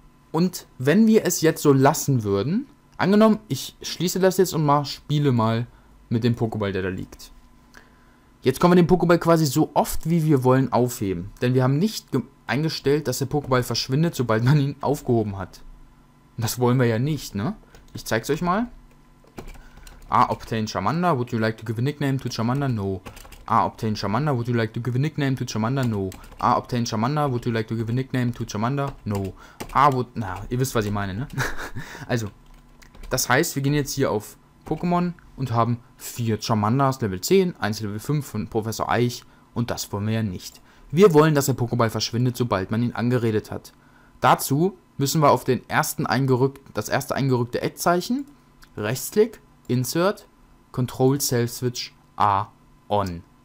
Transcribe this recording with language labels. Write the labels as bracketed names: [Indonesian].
[German] Und wenn wir es jetzt so lassen würden, angenommen, ich schließe das jetzt und spiele mal mit dem Pokéball, der da liegt. Jetzt können wir den Pokéball quasi so oft, wie wir wollen, aufheben. Denn wir haben nicht eingestellt, dass der Pokéball verschwindet, sobald man ihn aufgehoben hat. Das wollen wir ja nicht, ne? Ich zeig's euch mal. [English] Ah, obtain Charmander, would you like to give a nickname to Charmander? No. Ah, obtain Charmander, would you like to give a nickname to Charmander? No. Ah, obtain Charmander, would you like to give a nickname to Charmander? No. Ah, would... [German] Na, ihr wisst, was ich meine, ne? Also, das heißt, wir gehen jetzt hier auf Pokémon und haben vier Charmanders, Level 10, eins Level 5 von Professor Eich und das wollen wir ja nicht. Wir wollen, dass der Pokéball verschwindet, sobald man ihn angeredet hat. Dazu müssen wir auf das erste eingerückte Add-Zeichen, Rechtsklick, Insert, Control-Self-Switch, A, On.